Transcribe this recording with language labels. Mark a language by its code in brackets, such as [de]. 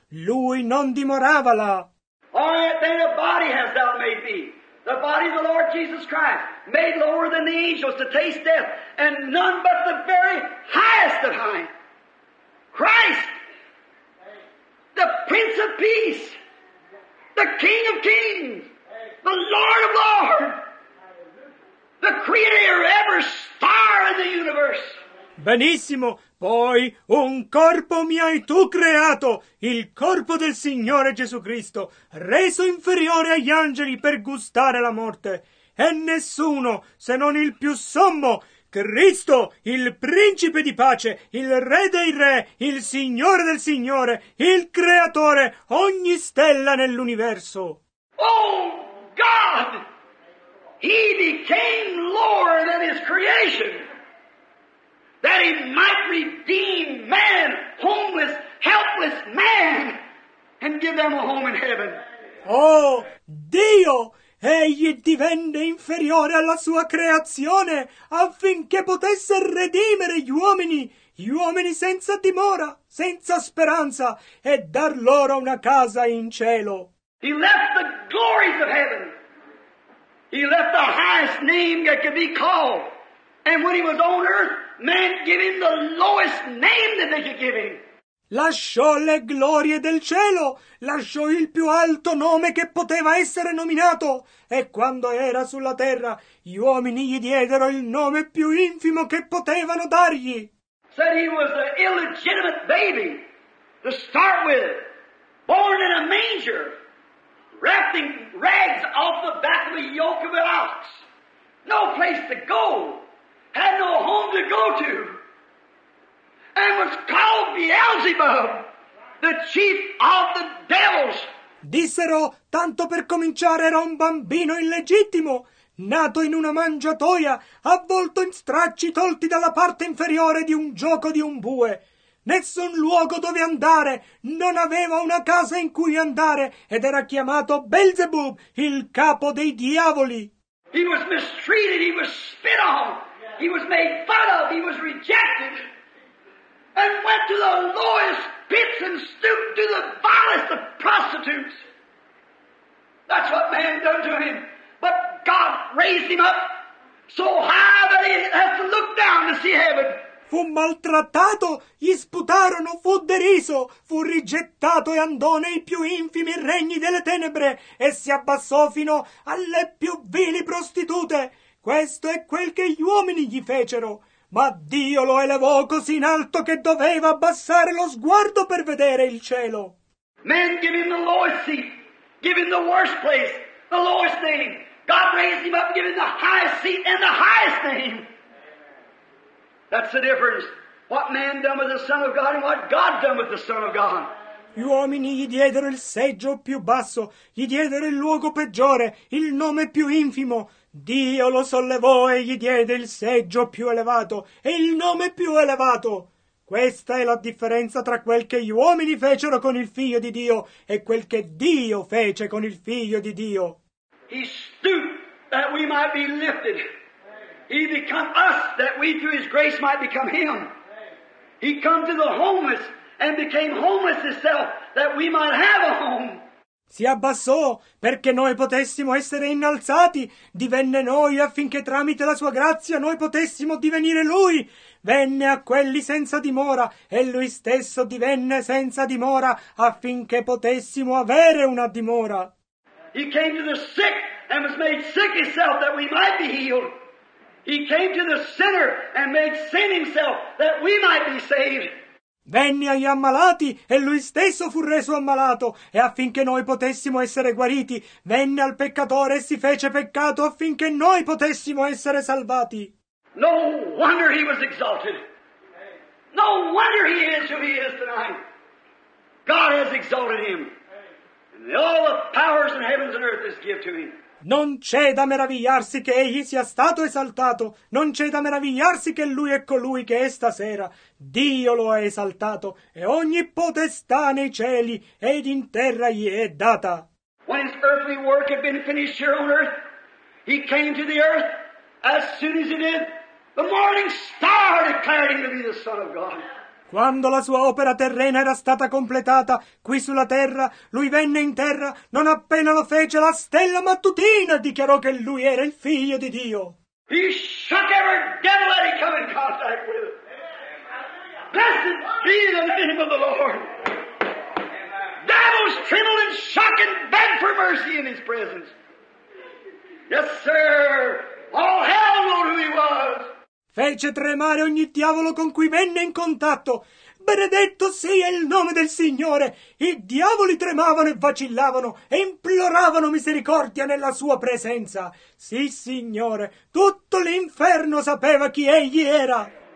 [it] Lui non dimorava là. [en] All right, then a body hast thou made thee. The body of the Lord Jesus Christ, made lower than the angels to taste death, and none but the very highest of high. Christ, the Prince of Peace, the King of Kings, the Lord of Lords, the Creator of every star in the universe. [it] Benissimo, poi un corpo mi hai tu creato, il corpo del Signore Gesù Cristo, reso inferiore agli angeli per gustare la morte. E nessuno, se non il più sommo, Cristo, il principe di pace, il re dei re, il signore del signore, il creatore, ogni stella nell'universo. [en] Oh God! He became Lord of his creation, that he might redeem man, homeless, helpless man, and give them a home in heaven. [it] Oh, Dio! Egli divenne inferiore alla sua creazione affinché potesse redimere gli uomini senza dimora, senza speranza, e dar loro una casa in cielo. [en] He left the glories of heaven. He left the highest name that could be called. And when he was on earth, man gave him the lowest name that they could give him. [it] Lasciò le glorie del cielo, lasciò il più alto nome che poteva essere nominato, e quando era sulla terra, gli uomini gli diedero il nome più infimo che potevano dargli. [en] Said he was an illegitimate baby, to start with, born in a manger, wrapped in rags off the back of a yoke of an ox. No place to go, had no home to go to. And was called Beelzebub, the chief of the devils. [it] Dissero, tanto per cominciare, era un bambino illegittimo, nato in una mangiatoia, avvolto in stracci tolti dalla parte inferiore di un gioco di un bue. Nessun luogo dove andare, non aveva una casa in cui andare, ed era chiamato Beelzebub, il capo dei diavoli. [en] He was mistreated, he was spit on, he was made fun of, he was rejected. And went to the lowest pits and stooped to the vilest of prostitutes. That's what man done to him. But God raised him up so high that he has to look down to see heaven. [it] Fu maltrattato, gli sputarono, fu deriso, fu rigettato e andò nei più infimi regni delle tenebre e si abbassò fino alle più vili prostitute. Questo è quel che gli uomini gli fecero. Ma Dio lo elevò così in alto che doveva abbassare lo sguardo per vedere il cielo. [en] Man gave him the lowest seat, gave him the worst place, the lowest name. God raised him up, gave him the highest seat and the highest name. That's the difference. What man done with the Son of God and what God done with the Son of God. [it] Gli uomini gli diedero il seggio più basso, gli diedero il luogo peggiore, il nome più infimo. Dio lo sollevò e gli diede il seggio più elevato e il nome più elevato. Questa è la differenza tra quel che gli uomini fecero con il Figlio di Dio e quel che Dio fece con il Figlio di Dio. [en] He stooped that we might be lifted. He become us that we through his grace might become him. He come to the homeless and became homeless himself that we might have a home. [it] Si abbassò perché noi potessimo essere innalzati, divenne noi affinché tramite la sua grazia noi potessimo divenire lui. Venne a quelli senza dimora e lui stesso divenne senza dimora affinché potessimo avere una dimora. [en] He came to the sick and was made sick himself that we might be healed. He came to the sinner and made sin himself that we might be saved. [it] Venne agli ammalati e lui stesso fu reso ammalato e affinché noi potessimo essere guariti. Venne al peccatore e si fece peccato affinché noi potessimo essere salvati. [en] No wonder he was exalted. No wonder he is who he is tonight. God has exalted him. And all the powers in heaven and earth is given to him. [it] Non c'è da meravigliarsi che egli sia stato esaltato, non c'è da meravigliarsi che lui è colui che è stasera. Dio lo ha esaltato, e ogni potestà nei cieli ed in terra gli è data. [en] When his earthly work had been finished here on earth, he came to the earth, as soon as he did, the morning star declared him to be the Son of God. [it] Quando la sua opera terrena era stata completata qui sulla terra, lui venne in terra, non appena lo fece la stella mattutina dichiarò che lui era il Figlio di Dio. [en] He shook every devil that he came in contact with. Amen. Blessed be the name of the Lord. Amen. Devils trembled and shook and begged for mercy in his presence. Yes, sir. All hell knew who he was. [it] Fece tremare ogni diavolo con cui venne in contatto. Benedetto sei il nome del Signore! I diavoli tremavano e vacillavano e imploravano misericordia nella sua presenza. Sì, Signore, tutto l'inferno sapeva chi egli era.